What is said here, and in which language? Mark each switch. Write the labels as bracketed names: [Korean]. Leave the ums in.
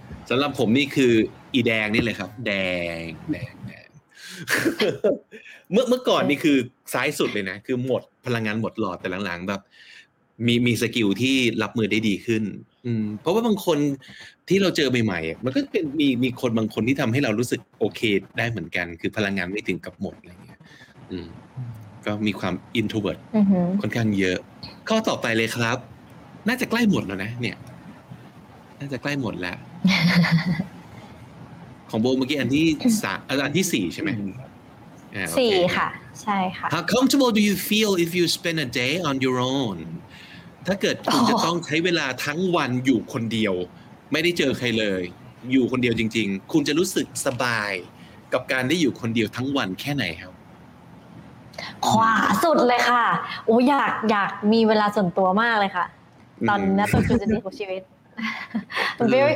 [Thai] สำหรับผมนี่คือ อีแดงนี่เลยครับ แดงแดงแดงเมื่อเมื่อก่อนนี่คือซ้ายสุดเลยนะ คือหมดพลังงานหมดหลอดแต่หลังๆแบบ มีมีสกิลที่รับมือได้ดีขึ้น อืม เพราะว่าบางคนที่เราเจอใหม่ๆอะมันก็เป็นมีมีคนบางคนที่ทำให้เรารู้สึกโอเคได้เหมือนกัน คือพลังงานไม่ถึงกับหมดอะไรเงี้ย อืม ก็มีความ introvert อือหือ ค่อนข้างเยอะ ข้อต่อไปเลยครับ น่าจะใกล้หมดแล้วนะ เนี่ย น่าจะใกล้หมดแล้ว ของโบเมื่อกี้อันที่สามอันที่สี่ใช่ไหมอ่าโอเ สี่ค่ะ ใช่ค่ะ [English] How comfortable do you feel if you spend a day on your own [Thai] ถ้าเกิดคุณ โอ้ จะต้องใช้เวลาทั้งวันอยู่คนเดียว ไม่ได้เจอใครเลย อยู่คนเดียวจริง ๆ คุณจะรู้สึกสบายกับการได้อยู่คนเดียวทั้งวันแค่ไหนครับ ขวาสุดเลยค่ะโอ้อยากอยากมีเวลาส่วนตัวมากเลยค่ะ ตอนนี้ตอนจุดนี้ของชีวิต [English] I'm very